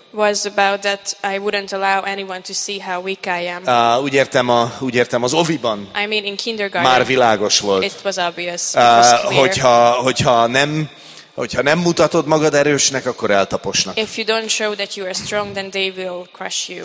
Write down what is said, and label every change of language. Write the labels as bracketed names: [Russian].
[English] Was about that I wouldn't allow anyone to see how weak I am. [Hungarian] Úgy értem az oviban. [English] I mean in kindergarten. [Hungarian] Már világos volt. [English] It was obvious. [Hungarian] Hogyha nem mutatod magad erősnek, akkor eltaposnak. [English] If you don't show that you are strong, then they will crush you.